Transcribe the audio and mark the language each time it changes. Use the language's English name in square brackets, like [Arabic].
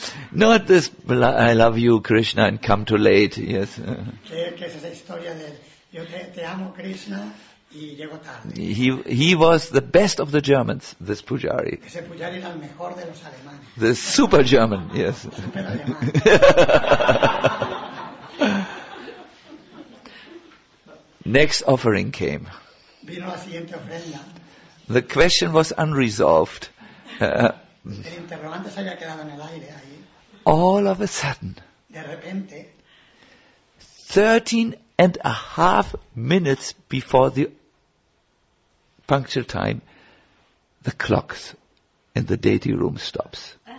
[English] Not this, I love you, Krishna, and come too late, yes. [Spanish] ¿Qué es esa historia de, yo te amo, Krishna, y llego tarde? [English] He was the best of the Germans, this pujari. [Spanish] Ese pujari era el mejor de los alemanes. [English] The super German, yes. Next offering came. [Spanish] Vino la siguiente ofrenda. [English] The question was unresolved. [Spanish] El interrogante se había quedado en el aire ahí. [English] All of a sudden, [Spanish] de repente, [English] 13 and a half minutes before the punctual time, the clocks in the deity room stops.